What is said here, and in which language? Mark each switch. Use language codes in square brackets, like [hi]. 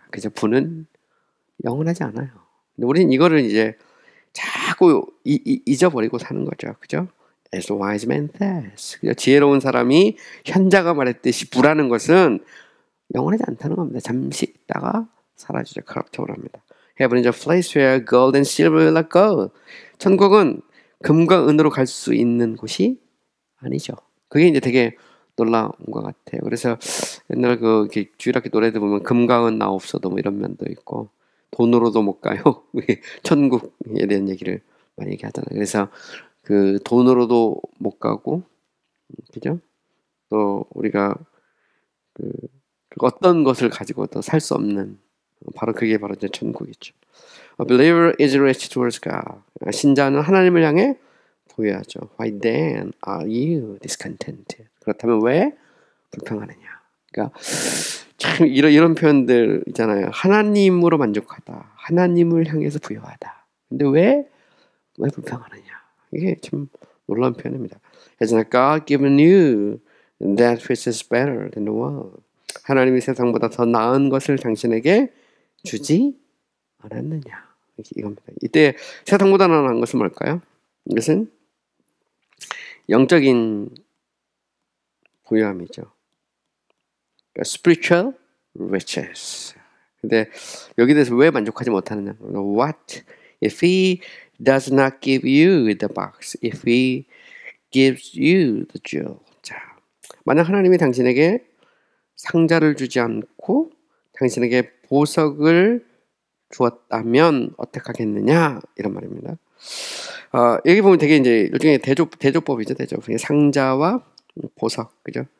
[ko] 그래서 부는 영원하지 않아요. 근데 우리는 이거를 이제 자꾸 잊어버리고 사는 거죠. 그죠? [en] As a wise man says. [ko] 지혜로운 사람이 현자가 말했듯이 부라는 것은 영원하지 않다는 겁니다. 잠시 있다가 사라지죠. Corruptible합니다. [en] Heaven is a place where gold and silver will not go. [ko] 천국은 금과 은으로 갈수 있는 곳이 아니죠. 그게 이제 되게 놀라운 것 같아요. 그래서 옛날 그 주일학교 노래들 보면 금과 은나 없어도 뭐 이런 면도 있고 돈으로도 못 가요. 천국에 대한 얘기를 많이 얘기하잖아요. 그래서 그 돈으로도 못 가고 그죠? 또 우리가 그 어떤 것을 가지고도 살수 없는 바로 그게 바로 이제 천국이죠. [en] A believer is rich towards God. [ko] 신자는 하나님을 향해 부유하죠. [en] Why then are you discontented? [ko] 그렇다면 왜 불평하느냐? 그러니까 참 이런 표현들 있잖아요. 하나님으로 만족하다. 하나님을 향해서 부유하다. 근데 왜 불평하느냐? 이게 참 놀라운 표현입니다. [en] Has not God given you that which is better than the world? [ko] 하나님이 세상보다 더 나은 것을 당신에게 주지 않았느냐? 이겁니다. 이때 세상보다 나은 것은 뭘까요? 이것은 영적인 부유함이죠. [en] Spiritual riches. [ko] 근데 여기 대해서 왜 만족하지 못하느냐? [en] What if he does not give you the box? If he gives you the jewel. [ko] 자, 만약 하나님이 당신에게 상자를 주지 않고 당신에게 보석을 주었다면 어떡하겠느냐? 이런 말입니다. 여기 보면 되게 이제 일종의 대조법이죠. 대조. 상자와 보석. 그죠?